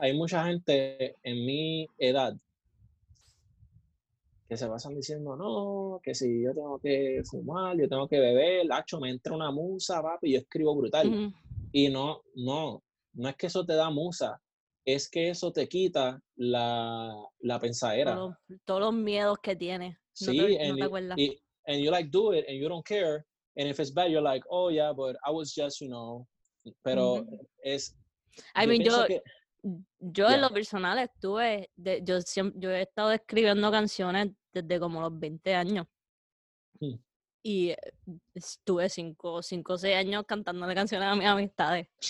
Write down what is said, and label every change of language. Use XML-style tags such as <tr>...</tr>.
<es>Hay mucha gente en mi edad que se pasan diciendo, no, que si yo tengo que fumar, yo tengo que beber, acho, me entra una musa, papi, yo escribo brutal. Uh-huh. Y no es que eso te da musa, es que eso te quita la pensadera. Todos los miedos que tienes. Sí, no te, no te acuerdas.</es> <en>And you like do it, and you don't care. And if it's bad, you're like, oh yeah, but I was just, you know.</en> <es>Pero uh-huh. es... I mean, yo en lo personal estuve, yo he estado escribiendo canciones desde como los 20 años. Y estuve 5 o 6 años cantándole canciones a mis amistades.</es>